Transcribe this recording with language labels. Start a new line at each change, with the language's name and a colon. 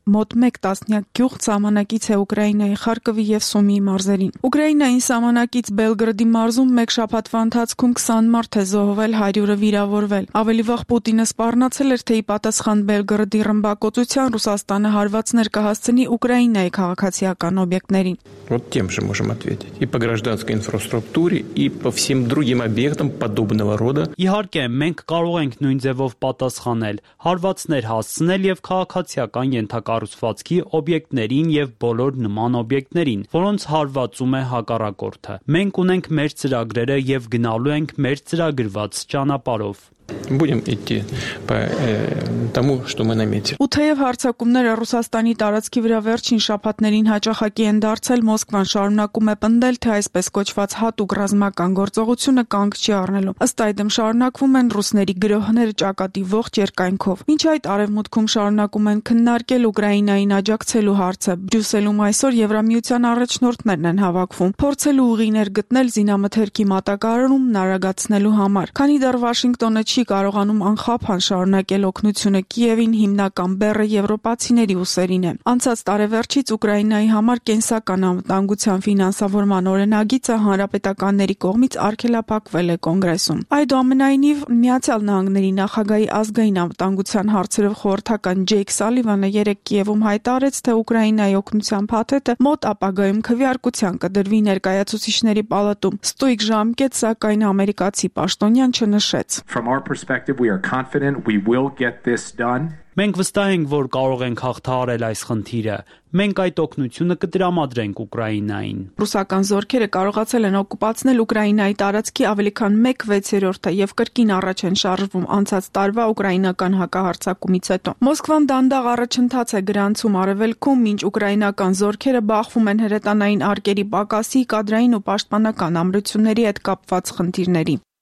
Armenian: մոտ 1 տասնյակ գյուղ, ցամանակից է Ուկրաինայի Խարկովի և Սումիի մարզերին։ Ուկրաինային ցամանակից Բելգրադի մարզում 1 շաբաթվա ընթացքում 20 մարդ է զոհվել, 100-ը վիրավորվել։ Ավելի վաղ Պուտինը սպառնացել էր, թե ի պատասխան Բելգրադի ռմբակոծության Ռուսաստանը հարվածներ կհասցնի Ուկրաինայի քաղաքացիական օբյեկտներին։
Russian: Вот тем же можем ответить и по гражданской инфраструктуре, и по всем другим объектам подобного рода.
Armenian: Իհարկե, մենք կարող ենք նույն ձևով պատասխանել, հարվածներ հասցնել եւ քաղաքացիական ենթակառուցվածքի օբյեկտներին եւ բոլոր նման օբյեկտներին, որոնց հարվածում է հակառակորդը։ Մենք ունենք մեր ծրագրերը եւ գնալու ենք մեր ծրագրված ճանապարհով։
Russian: Будем идти по тому, что мы наметили.
Armenian: Ութեև հարցակումները Ռուսաստանի տարածքի վրա վերջին շաբաթներին հաճախակի են դարձել, Մոսկվան շարունակում է պնդել, թե այսպես կոչված հատուկ ռազմական գործողությունը կանգ չի առնելու։ Ըստ այդմ շարունակվում են ռուսների գրոհները ճակատի ողջ երկայնքով։ Ինչ այդ արևմուտքում շարունակում են քննարկել Ուկրաինային աջակցելու հարցը։ Բրյուսելում այսօր Եվրամիության առաջնորդներն են հավաքվում, փորձելու ուղիներ գտնել զինամթերքի մատակարարում նարագացնելու համար։ Քանի դեռ Վաշինգտոնը չի կարողանում անխափան շարունակել օգնությունը Կիևին, հիմնական բեռը եվրոպացիների ուսերին է։ Անցած տարեվերջից Ուկրաինայի համար կենսական անվտանգության ֆինանսավորման օրենագիծը հանրապետականների կողմից արգելափակվել է Կոնգրեսում։ Այդուամենայնիվ, Միացյալ Նահանգների նախագահի ազգային անվտանգության հարցերով խորհրդական Ջեյք Սալիվանը երեկ Կիևում հայտարարեց, թե Ուկրաինայի օգնության փաթեթը մոտ ապագայում քվեարկության կդրվի ներկայացուցիչների պալատում։ Ստույգ ժամկետ, սակայն ամերիկացի պաշտոնյան չնշեց.
English: From our perspective, we are confident we will get this done.
Armenian: Մենք վստահ ենք, որ կարող ենք հաղթահարել այս խնդիրը։ Մենք այդ օգնությունը կտրամադրենք Ուկրաինային։ Ռուսական զորքերը կարողացել են օկուպացնել Ուկրաինայի տարածքի ավելի քան 1/6-ը և կրկին առաջ են շարժվում անցած տարվա ուկրաինական հակահարցակումից հետո։ Մոսկվան դանդաղ առաջընթաց է գրանցում արևելքում, մինչ ուկրաինական զորքերը բախվում են հրետանային արկերի պակասի, կադրային ու պաշտպանական ամրությունների հետ կապված խնդիրների։